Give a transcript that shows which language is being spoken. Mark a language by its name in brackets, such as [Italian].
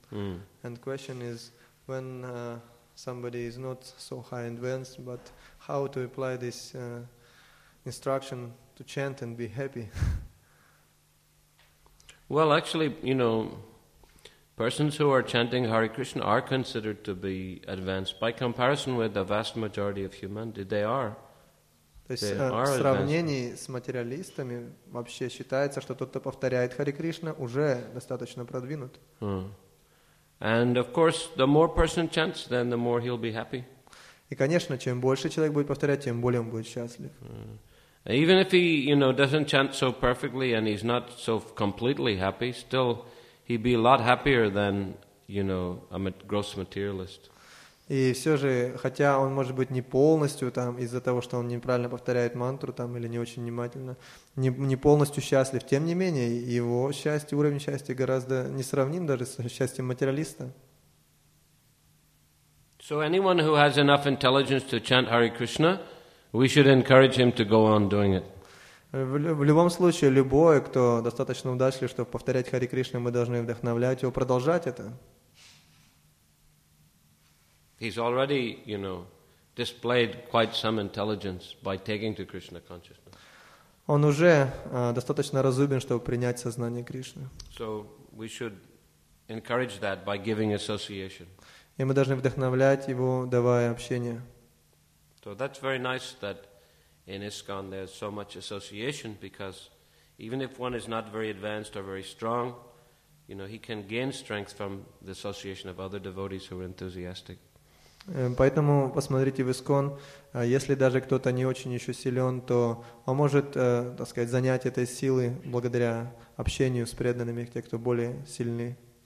[English] And question is, when somebody is not so high advanced, but how to apply this instruction to chant and be happy? Well, actually, you know, persons who are chanting Hare Krishna are considered to be advanced. By comparison with the vast majority of humanity, they are. [Russian] В сравнении с материалистами вообще считается, что тот, кто повторяет Hare Krishna, уже достаточно продвинут. [English] And of course, the more person chants, then the more he'll be happy. [Russian] И, конечно, чем больше человек будет повторять, тем более он будет счастлив. [English] Even if he, you know, doesn't chant so perfectly and he's not so completely happy, still he'd be a lot happier than, you know, a gross materialist. [Russian] И все же, хотя он может быть не полностью там из-за того, что он неправильно повторяет мантру там или не очень внимательно, не полностью счастлив. Тем не менее, его счастье, уровень счастья гораздо несравним даже со счастьем материалиста. [English] So anyone who has enough intelligence to chant Hare Krishna, we should encourage him to go on doing it. [Russian] В любом случае, любой, кто достаточно удачлив, чтобы повторять Хари Кришну, мы должны вдохновлять его продолжать это. [English] He's already, you know, displayed quite some intelligence by taking to Krishna consciousness. [Russian] Он уже достаточно разумен, чтобы принять сознание Кришны. [English] So we should encourage that by giving association. [Russian] И мы должны вдохновлять его, давая общение. [English] So that's very nice that in ISKCON there's so much association, because even if one is not very advanced or very strong, you know, he can gain strength from the association of other devotees who are enthusiastic. [Russian] Поэтому посмотрите в ISKCON, если даже кто-то не очень еще силен, то он может, так сказать, занять этой силы благодаря общению с преданными, те, кто более сильны.